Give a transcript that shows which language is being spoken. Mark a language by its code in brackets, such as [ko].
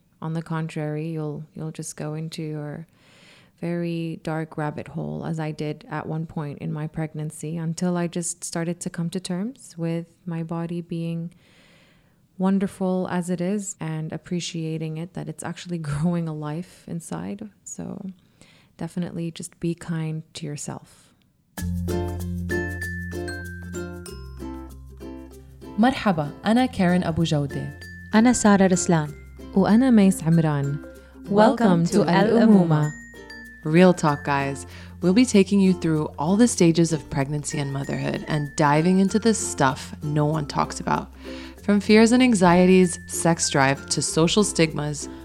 [en] On the contrary, you'll just go into your very dark rabbit hole, as I did at one point in my pregnancy, until I just started to come to terms with my body being wonderful as it is and appreciating it, that it's actually growing a life inside. So definitely just be kind to yourself. [ar] مرحبا, أنا كارين أبو جودة. أنا سارة رسلان. وأنا ميس عمران. [en] Welcome to الأمومة. Real talk, guys. We'll be taking you through all the stages of pregnancy and motherhood and diving into the stuff no one talks about. From fears and anxieties, sex drive, to social stigmas,